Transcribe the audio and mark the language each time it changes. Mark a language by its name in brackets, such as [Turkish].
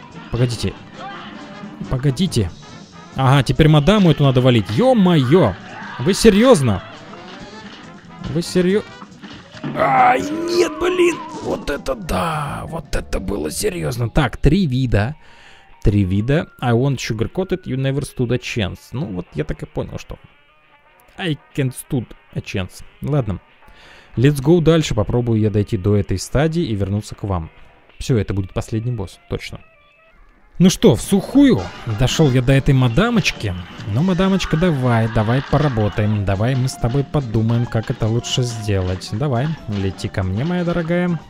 [Russian] Погодите. Погодите. Ага, теперь мадаму эту надо валить. Ё-моё, вы серьезно? Вы серьезно? Ай, нет, блин. Вот это да, вот это было серьезно. Так, три вида. три вида. [English] I want sugar-coated, you never stood a chance. [Russian] Ну, вот я так и понял, что... [English] I can't stood a chance. [Russian] Ладно. [English] Let's go [Russian] дальше. Попробую я дойти до этой стадии и вернуться к вам. Все, это будет последний босс. Точно. Ну что, в сухую дошел я до этой мадамочки. Ну, мадамочка, давай, давай поработаем. Давай мы с тобой подумаем, как это лучше сделать. Давай, лети ко мне, моя дорогая.